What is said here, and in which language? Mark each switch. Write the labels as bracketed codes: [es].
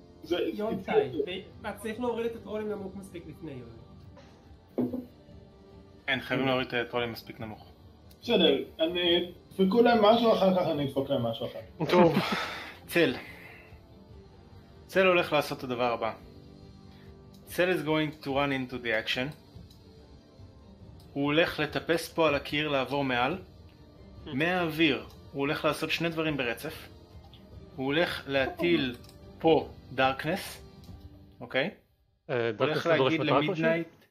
[he] יונטאי, ואת צריך להוריד את הטרולים נמוך מספיק לפני יונטאי. כן, חייבים להוריד את הטרולים מספיק נמוך. בסדר, אני... דפקו להם משהו אחר כך, אני אדפוק להם משהו אחר. טוב, צל. צל הולך לעשות את הדבר הבא. [en] צל is going to run into the action. [he] הוא הולך לטפס פה על הקיר לעבור מעל. מהאוויר הוא הולך לעשות שני דברים ברצף. הוא הולך להטיל פה דארקנס. אוקיי? הולך להגיד למידנייט.